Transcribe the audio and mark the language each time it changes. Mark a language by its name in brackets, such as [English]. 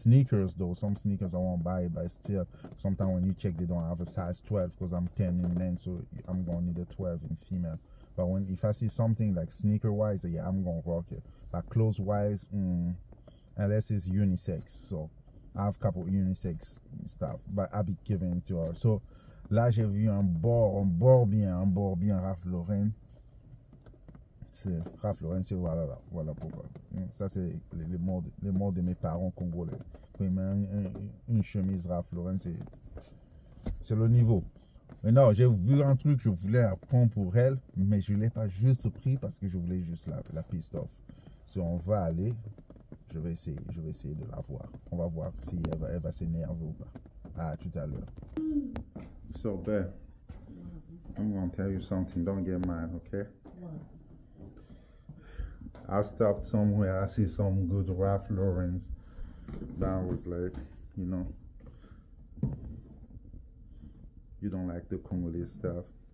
[English] Some sneakers I won't buy, but still, sometimes when you check, they don't have a size 12 because I'm 10 in men, so I'm gonna need a 12 in female. But when if I see something like sneaker wise, yeah, I'm gonna rock it. But clothes wise, unless it's unisex, so I have a couple unisex stuff, but I'll be giving it to her. [French] So, là, j'ai vu un bord bien, Raph Lauren. C'est Raph Lauren, c'est voilà pourquoi. Ça, c'est les mots de mes parents congolais. Quand ils mettent une chemise Raph Lauren, c'est le niveau. Mais non, j'ai vu un truc que je voulais apprendre pour elle, mais je ne l'ai pas juste pris parce que je voulais juste la piste off. Si on va aller, je vais essayer de la voir. On va voir si elle va s'énerver ou pas. À tout à l'heure. [English] So, babe, I'm going to tell you something. Don't get mad, okay? I stopped somewhere, I see some good Raph Lauren's. That was like, you know, you don't like the Congolese stuff.